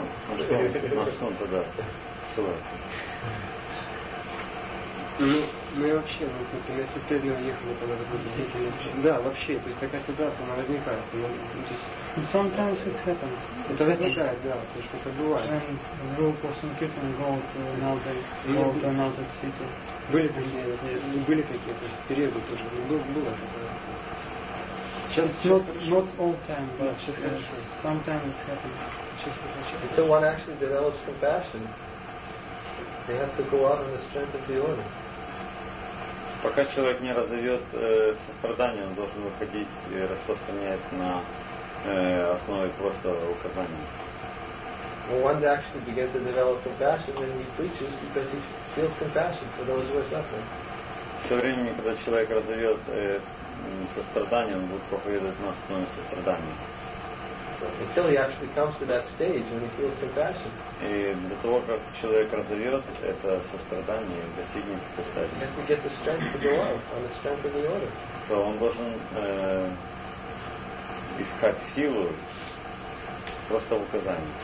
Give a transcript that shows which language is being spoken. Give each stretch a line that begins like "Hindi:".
Russian: На что он тогда ссылается? Ну и вообще, вот, например, если ты не уехал, то надо будет сидеть или вообще. Да, вообще, то есть такая ситуация, она возникает. Ну, то есть,
English: sometimes it happens.
Russian: Это возникает, да, то есть это бывает.
English: And group of some people go to another city.
Russian: Были такие, были такие, то есть периоды тоже, было такое. Сейчас,
English: not all time, but yeah, just
Russian: хорошо.
English: Sometimes it happens. Until one actually develops compassion, they have to go out on the strength of the order.
Russian: Пока человек не разовьет сострадание, он должен выходить и распространять на основе просто указаний.
English: Well, one actually begins to develop compassion when he preaches because he feels compassion for those who are suffering.
Russian: Со временем, когда человек разовьет сострадание, он будет проповедовать на основе сострадания.
English: Until he actually comes to that stage when he feels compassion.
Russian: И до того, как человек разовьет это сострадание, достигнет этой стадии.
English: He has to get the strength to go out on the strength of the order.
Russian: То он должен искать силу просто в указании.